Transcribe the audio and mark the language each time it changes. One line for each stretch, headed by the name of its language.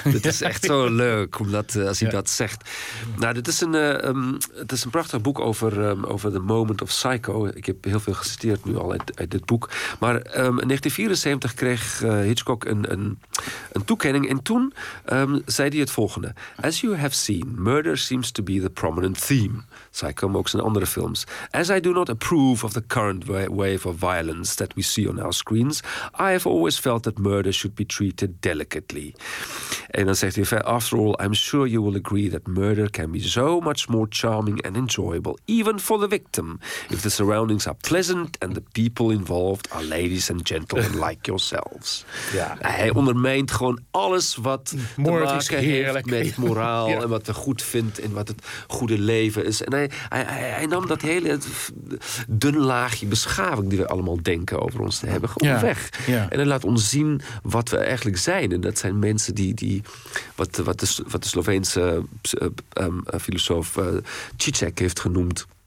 Dutch: Het is echt zo leuk omdat, als hij dat zegt. Nou, dit is het is een prachtig boek over The Moment of Psycho. Ik heb heel veel geciteerd nu al uit dit boek. Maar in 1974 kreeg Hitchcock een toekenning. En toen zei hij het volgende.
English: As you have seen, murder seems to be the prominent theme.
Dutch: Psycho, maar ook zijn andere films.
English: As I do not approve of the current wave of violence that we see on our screens, I have always felt that murder should be treated delicately. En dan zegt hij, after all, I'm sure you will agree that murder can be so much more charming and enjoyable, even for the victim, if the surroundings are pleasant and the people involved are ladies and gentlemen like yourselves.
Dutch: Ja. Hij ondermijnt gewoon alles wat moord te maken heeft met moraal en wat hij goed vindt en wat het goede leven is. En hij nam dat hele dun laagje beschaving die we allemaal denken over ons te hebben, gewoon weg. Ja. En hij laat ons zien wat we eigenlijk zijn. En dat zijn mensen die wat de Sloveense filosoof Čiček heeft genoemd.